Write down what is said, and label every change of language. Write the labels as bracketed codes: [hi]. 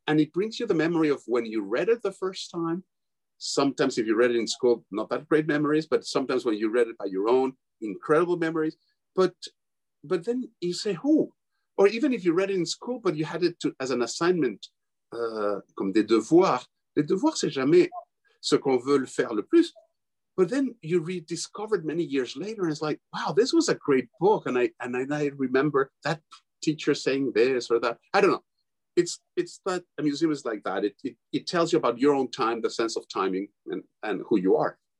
[en] And it brings you the memory of when you read it the first time. Sometimes if you read it in school, not that great memories, but sometimes when you read it by your own, incredible memories. But then you say, who? Or even if you read it in school, but you had it to, as an assignment, [fr] comme des devoirs. Les devoirs, c'est jamais ce qu'on veut le faire le plus. [en] But then you rediscovered many years later, and it's like, wow, this was a great book. And I remember that teacher saying this or that. I don't know. It's that a museum is like that. It tells you about your own time, the sense of timing, and who you are.